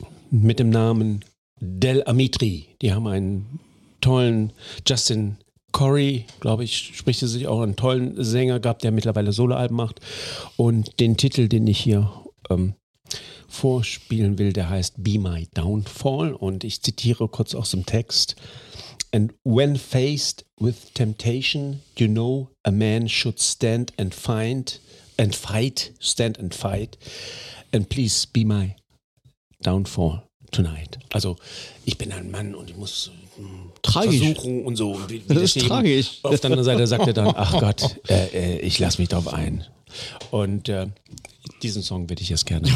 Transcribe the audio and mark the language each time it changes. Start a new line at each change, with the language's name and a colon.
German: mit dem Namen Del Amitri, die haben einen tollen Justin Corey, glaube ich, spricht sich auch einen tollen Sänger gehabt, der mittlerweile Soloalben macht. Und den Titel, den ich hier vorspielen will, der heißt Be My Downfall. Und ich zitiere kurz aus dem Text.
English: And when faced with temptation, you know a man should stand and fight. And please be my downfall tonight.
German: Also, ich bin ein Mann und ich muss... versuchen und so. Das ist tragisch. Auf der anderen Seite sagt er dann, ach Gott, ich lasse mich drauf ein. Und diesen Song würde ich jetzt gerne.